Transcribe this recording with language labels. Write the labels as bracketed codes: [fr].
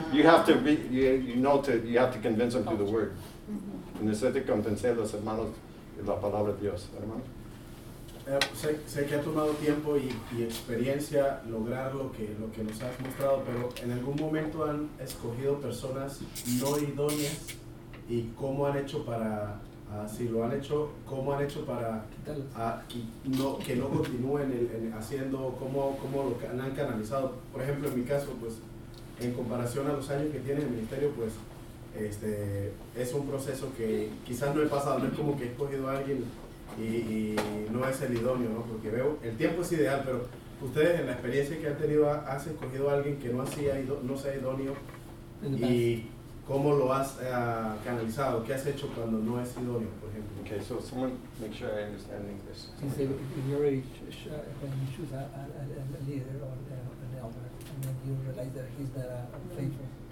[en] You have to convince them through the word. Mm-hmm. [es] Necesito convencer a los hermanos de la palabra de Dios, hermano. Sé que ha tomado tiempo y experiencia lograr lo que nos has mostrado, pero en algún momento han escogido personas no idóneas y cómo han hecho para que no continúen en haciendo, cómo lo han canalizado. Por ejemplo, en mi caso, pues, en comparación a los años que tiene el ministerio, pues, Este, es un proceso que quizás no he pasado, no es como que he escogido a alguien y no es el idóneo, ¿no? Porque veo, el tiempo es ideal, pero ustedes en la experiencia que han tenido, ¿has escogido a alguien que no sea idóneo? ¿Y cómo lo has canalizado? ¿Qué has hecho cuando no es idóneo, por ejemplo? [en] Okay, so someone make sure I understand English. You say, when you already choose a leader or an elder, and then you realize that he's not faithful.